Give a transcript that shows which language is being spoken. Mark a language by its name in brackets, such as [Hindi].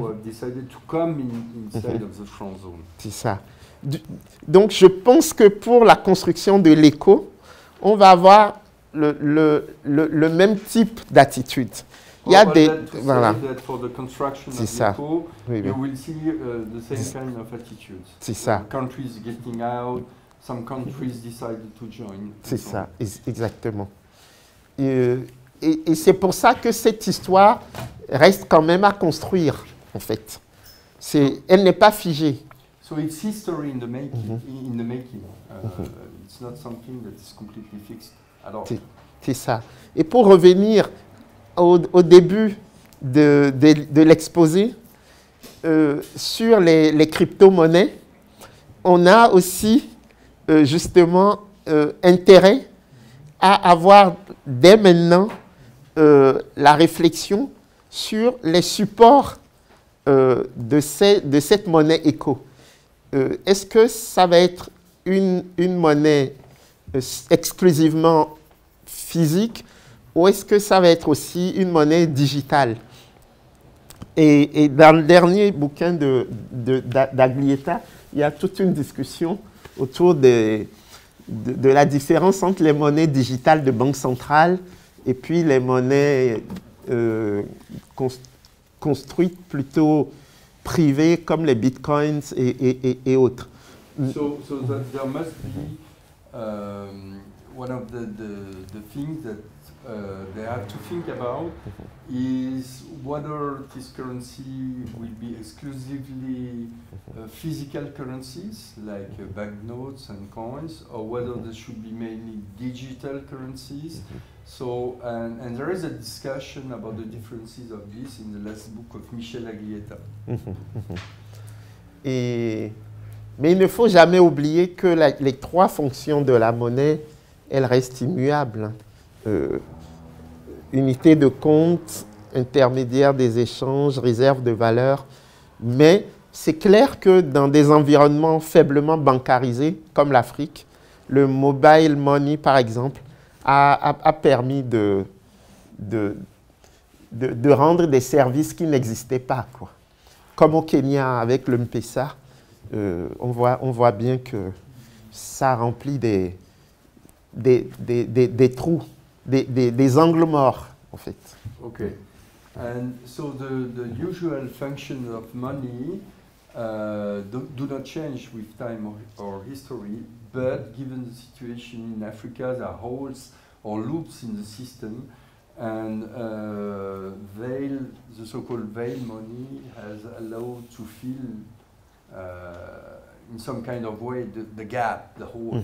[English] who have decided to come inside mm-hmm. of the front zone. [French] C'est ça. Donc, je pense que pour la construction de l'écho, on va avoir le même type d'attitude. Il y a des voilà. C'est ça. Oui, oui. [English] You will see the same kind of attitude. [French] C'est ça. [English] Countries getting out. Some countries decided to join. [French] C'est ça, exactement. Et c'est pour ça que cette histoire reste quand même à construire, en fait. C'est, elle n'est pas figée. [English] So it's history in the making. Mm-hmm. In the making. It's not something that is completely fixed at all. [French] C'est ça. Et pour revenir au début de l'exposé sur les crypto-monnaies, on a aussi justement intérêt à avoir dès maintenant la réflexion sur les supports de cette monnaie éco. Est-ce que ça va être une monnaie exclusivement physique ou est-ce que ça va être aussi une monnaie digitale? Et dans le dernier bouquin d'Aglietta, il y a toute une discussion autour de la différence entre les monnaies digitales de banque centrale et puis les monnaies construites plutôt privées comme les bitcoins et autres. [English] So that there must be one of the things that they have to think about is whether this currency will be exclusively physical currencies like banknotes and coins, or whether they should be mainly digital currencies. So, and there is a discussion about the differences of this in the last book of Michel Aglietta. [French] Mais il ne faut jamais oublier que les trois fonctions de la monnaie, elles restent immuables. Unité de compte, intermédiaire des échanges, réserve de valeur. Mais c'est clair que dans des environnements faiblement bancarisés, comme l'Afrique, le mobile money, par exemple, a permis de rendre des services qui n'existaient pas, quoi. Comme au Kenya avec le M-Pesa. On voit bien que ça remplit des trous, des angles morts, en fait. OK. [English] And so the usual function of money do not change with time or history, but given the situation in Africa, there are holes or loops in the system, and the so-called veil money has allowed to fill in some kind of way, the gap, the holes.